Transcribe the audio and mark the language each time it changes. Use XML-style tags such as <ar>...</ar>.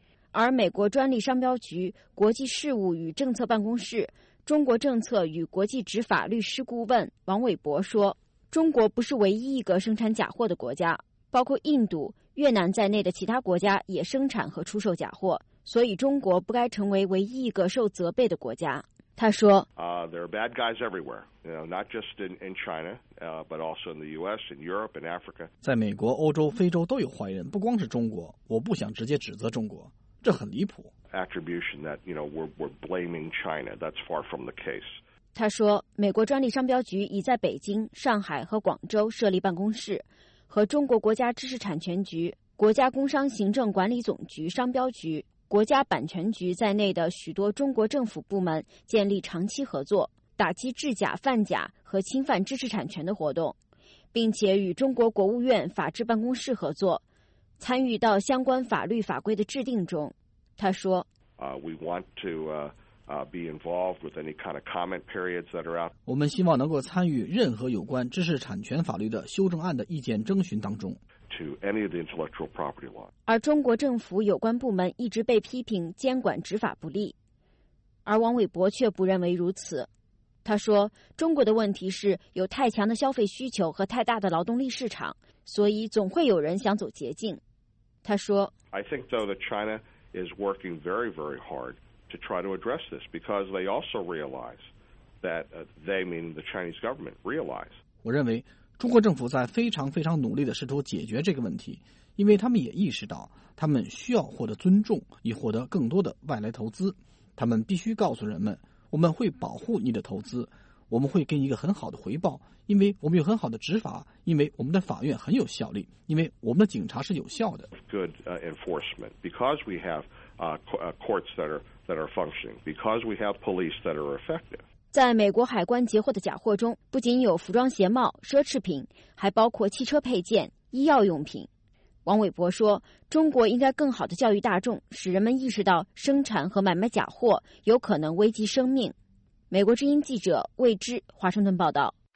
<zh>而美国专利商标局国际事务与政策办公室中国政策与国际执法律师顾问王伟博说，中国不是唯一一个生产假货的国家，包括印度、越南在内的其他国家也生产和出售假货，所以中国不该成为唯一一个受责备的国家。他说</zh> <en>There are bad guys everywhere, you know, not just in China, but also in the US, in Europe, in Africa.</en> <zh>在美国、欧洲、非洲都有坏人，不光是中国，我不想直接指责中国，这很离谱。</zh> <en>Attribution that, you know, we're blaming China. That's far from the case.</en> <zh>他说，美国专利商标局已在北京、上海和广州设立办公室，和中国国家知识产权局、国家工商行政管理总局、商标局、国家版权局在内的许多中国政府部门建立长期合作，打击制假、贩假和侵犯知识产权的活动，并且与中国国务院法制办公室合作，参与到相关法律法规的制定中。他说</zh> <en>we want to be involved with any kind of comment periods that are out.</en> <zh>我们希望能够参与任何有关知识产权法律的修正案的意见征询当中。</zh> <en>To any of the intellectual property law.</en> <zh>而中国政府有关部门一直被批评监管执法不力，而王伟博却不认为如此。他说，中国的问题是有太强的消费需求和太大的劳动力市场，所以总会有人想走捷径。他说</zh> <en>I think though that China is working very, very hard to try to address this because they also realize that they, meaning the Chinese government, realize.</en> <zh>我认为中国政府在非常非常努力地试图解决这个问题，因为他们也意识到他们需要获得尊重以获得更多的外来投资。他们必须告诉人们，我们会保护你的投资，我们会给你一个很好的回报，因为我们有很好的执法，因为我们的法院很有效力，因为我们的警察是有效的。</zh> <en>Good enforcement, because we have courts that are functioning, because we have police that are effective.</en> <zh>在美国海关截获的假货中，不仅有服装、鞋帽、奢侈品，还包括汽车配件、医药用品。王伟博说，中国应该更好地教育大众，使人们意识到生产和买卖假货有可能危及生命。美国之音记者魏之华盛顿报道。</zh>